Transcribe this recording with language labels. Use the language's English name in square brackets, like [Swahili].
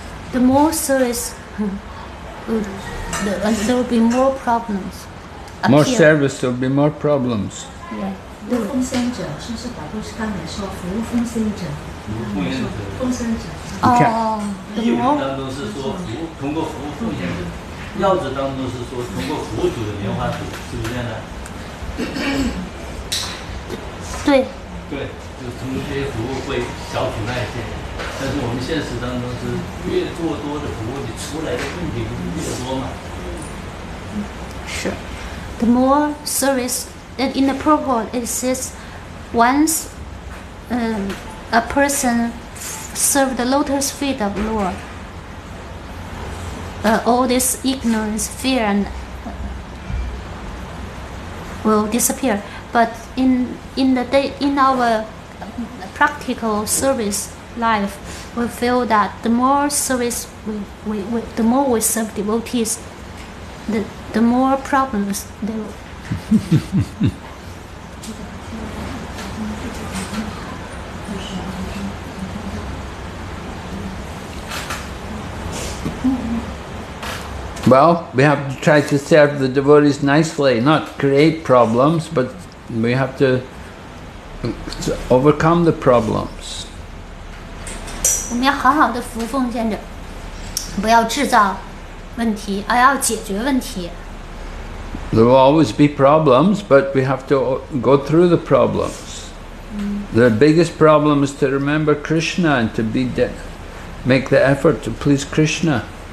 [English] The more service, there will be more problems. More service, there will be more problems. Yeah. [Chinese] 有奉献者，是不是把都是刚才说服务奉献者？奉献者，奉献者。哦，义务当中是说服务，通过服务奉献者；要旨当中是说通过服务主的莲花主，是不是这样的？对。对，就通过这些服务会消除那些。但是我们现实当中是越做多的服务，你出来的问题不是越多吗？ [English] 是 ，the more service in the protocol it says once, A person serve the lotus feet of Lord. All this ignorance, fear, and will disappear. But in our practical service life, we feel that the more service we serve devotees, the more problems they will. 嗯 Well, we have to try to serve the devotees nicely, not create problems, but we have to overcome the problems. [Chinese] 我们要好好的服务奉献者，不要制造问题，而要解决问题。 [English] There will always be problems, but we have to go through the problems. The biggest problem is to remember Krishna and to make the effort to please Krishna.